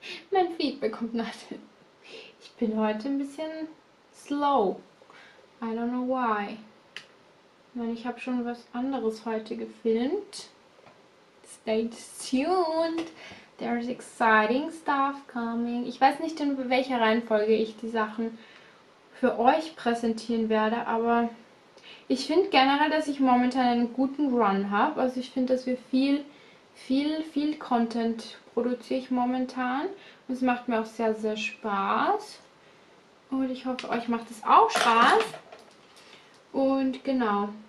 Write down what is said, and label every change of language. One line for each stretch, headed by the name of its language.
German: Mein Feedback kommt nach den. Ich bin heute ein bisschen slow.
English: I don't know why.
German: Ich habe schon was anderes heute gefilmt.
English: Stay tuned. There's exciting stuff coming.
German: Ich weiß nicht, in welcher Reihenfolge ich die Sachen für euch präsentieren werde, aber ich finde generell, dass ich momentan einen guten Run habe. Also ich finde, dass wir viel, viel, viel Content produziere ich momentan. Und es macht mir auch sehr, sehr Spaß. Und ich hoffe, euch macht es auch Spaß. Und genau.